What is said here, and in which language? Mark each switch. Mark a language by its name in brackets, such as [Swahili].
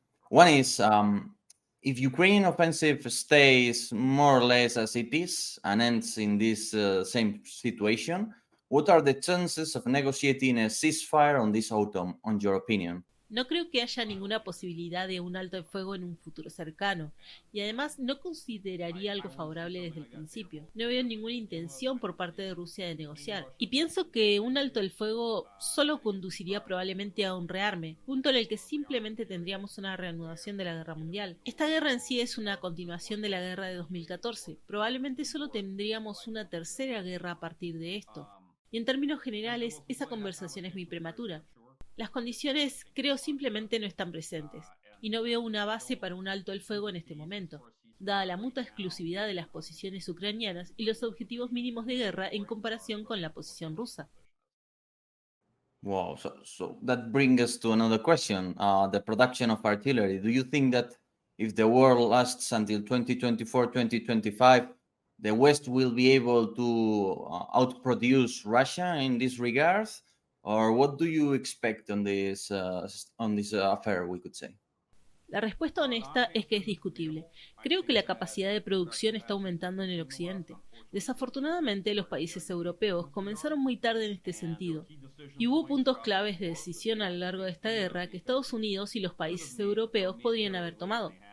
[English] One is, if Ukrainian offensive stays more or less as it is and ends in this same situation, what are the chances of negotiating a ceasefire on this autumn, on your opinion? [Spanish] No creo que haya ninguna posibilidad de un alto de fuego en un futuro cercano, y además no consideraría algo favorable desde el principio. No veo ninguna intención por parte de Rusia de negociar, y pienso que un alto del fuego solo conduciría probablemente a un rearme, punto en el que simplemente tendríamos una reanudación de la guerra mundial. Esta guerra en sí es una continuación de la guerra de 2014, probablemente solo tendríamos una tercera guerra a partir de esto. Y en términos generales, esa conversación es muy prematura. Las condiciones, creo, simplemente no están presentes, y no veo una base para un alto el fuego en este momento, dada la mutua exclusividad de las posiciones ucranianas y los objetivos mínimos de guerra en comparación con la posición rusa. [English] Wow, so that brings us to another question, the production of artillery. Do you think that if the war lasts until 2024-2025, the West will be able to outproduce Russia in this regard? Or what do you expect on this affair, we could say? [Spanish] La respuesta honesta es que es discutible. Creo que la capacidad de producción está aumentando en el Occidente. Desafortunadamente, los países europeos comenzaron muy tarde en este sentido. Y hubo puntos claves de decisión a lo largo de esta guerra que Estados Unidos y los países europeos podrían haber tomado.